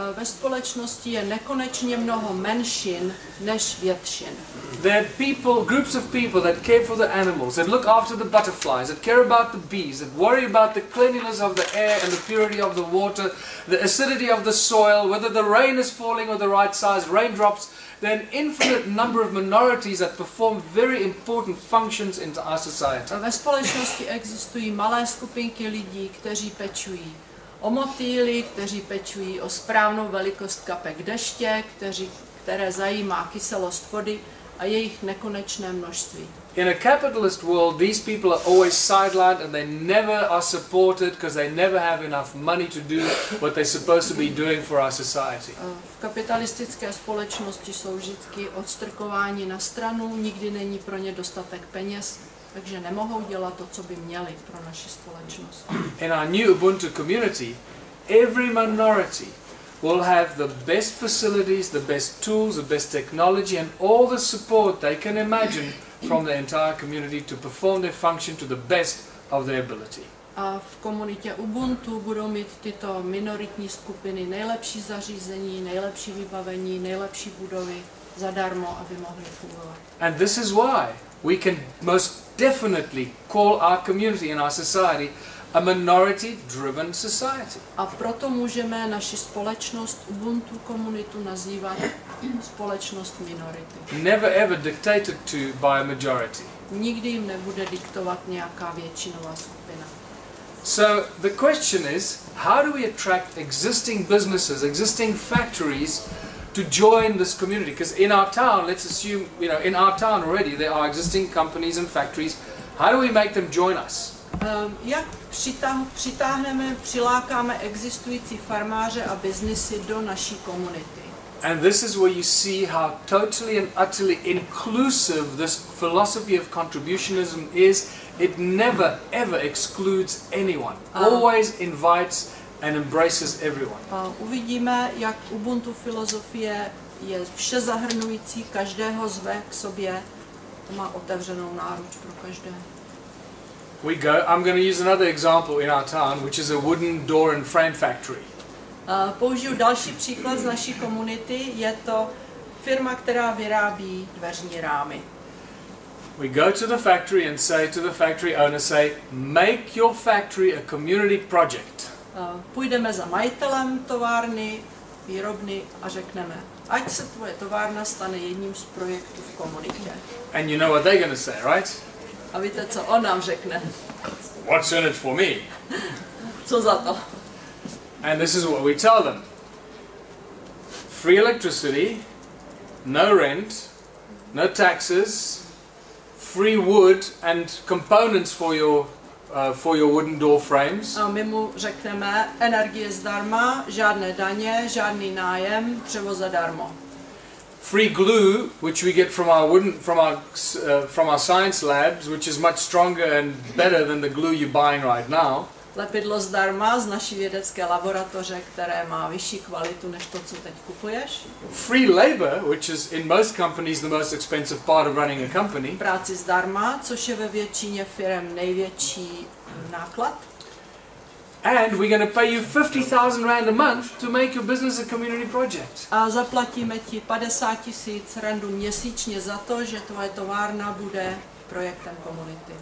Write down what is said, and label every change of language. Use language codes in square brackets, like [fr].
[cs] Ve společnosti je nekonečně mnoho menšin než většin. [en] There are people, groups of people that care for the animals, that look after the butterflies, that care about the bees, that worry about the cleanliness of the air and the purity of the water, the acidity of the soil, whether the rain is falling or the right size raindrops. There are an infinite number of minorities that perform very important functions in our society. [cs] Ve společnosti existují malé skupinky lidí, kteří pečují o motýly, kteří pečují o správnou velikost kapek deště, které zajímá kyselost vody a jejich nekonečné množství. [en] In a capitalist world, these people are always sidelined and they never are supported because they never have enough money to do what they're supposed to be doing for our society. [cs] V kapitalistické společnosti jsou vždycky odstrkováni na stranu, nikdy není pro ně dostatek peněz, takže nemohou dělat to, co by měli pro naši společnost. [en] In our new Ubuntu community, every minority will have the best facilities, the best tools, the best technology and all the support they can imagine from the entire community to perform their function to the best of their ability. [cs] A v komunitě Ubuntu budou mít tyto minoritní skupiny nejlepší zařízení, nejlepší vybavení, nejlepší budovy zadarmo, aby mohly fungovat. [en] And this is why we can most definitely call our community and our society a minority driven society. [cs] A proto můžeme naši společnost Ubuntu komunitu nazývat společnost minority. [en] Never ever dictated to by a majority. [cs] Nikdy jim nebude diktovat nějaká většinová skupina. [en] So the question is, how do we attract existing businesses, existing factories to join this community? Because in our town, let's assume, you know, in our town already there are existing companies and factories. How do we make them join us? [cs] Jak přitáhneme, přilákáme existující farmáře a biznesy do naší komunity? [en] And this is where you see how totally and utterly inclusive this philosophy of contributionism is. It never ever excludes anyone. Always invites and embraces everyone. [cs] Uvidíme, jak Ubuntu filozofie je všezahrnující, každého zve k sobě, má otevřenou náruč pro každého. [en] We go. I'm going to use another example in our town, which is a wooden door and frame factory. [cs] Použiju další příklad z naší komunity. Je to firma, která vyrábí dveřní rámy. [en] We go to the factory and say to the factory owner, say, make your factory a community project. [cs] Půjdeme za majitelem továrny, výrobny a řekneme, ať se tvoje továrna stane jedním z projektů v komunitě. [en] And you know what they're going to say, right? [cs] A víte, co on nám řekne? [en] What's in it for me? [cs] Co za to? [en] And this is what we tell them. Free electricity, no rent, no taxes, free wood and components for your wooden door frames. [cs] A my mu řekneme, energie zdarma, žádné daně, žádný nájem, převoz zadarmo. [en] Free glue, which we get from our wooden, from our science labs, which is much stronger and better than the glue you're buying right now. [cs] Lepidlo zdarma z naší vědecké laboratoře, které má vyšší kvalitu než to, co teď kupuješ. [en] Free labor, which is in most companies the most expensive part of running a company. [cs] Práci zdarma, což je ve většině firm největší náklad. [en] And we're going to pay you 50,000 rand a month to make your business a community project. [cs] A zaplatíme ti 50,000 randů měsíčně za to, že tvoje továrna bude projektem komunity.